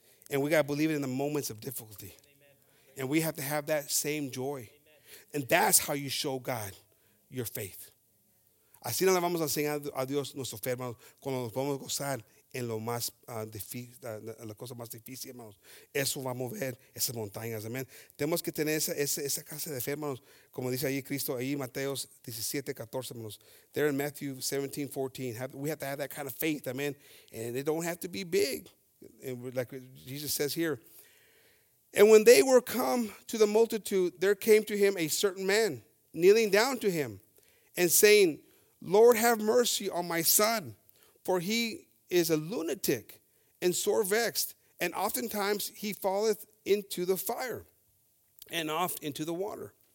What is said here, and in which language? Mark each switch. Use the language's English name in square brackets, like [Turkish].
[English] And we gotta believe it in the moments of difficulty. Amen. And we have to have that same joy. Amen. And that's how you show God your faith. [Spanish] Así no le vamos a enseñar a Dios nuestro fe, hermanos, cuando nos podemos gozar en lo más la cosa más difícil, hermanos. Eso va a mover esas montañas, amén. Tenemos que tener esa clase de fe, hermanos. Como dice ahí Cristo, ahí Mateos 17:14, hermanos. [English] There in Matthew 17:14, we have to have that kind of faith, amén. And it don't have to be big. And like Jesus says here, and when they were come to the multitude, there came to him a certain man, kneeling down to him, and saying, Lord, have mercy on my son, for he is a lunatic and sore vexed, and oftentimes he falleth into the fire and oft into the water.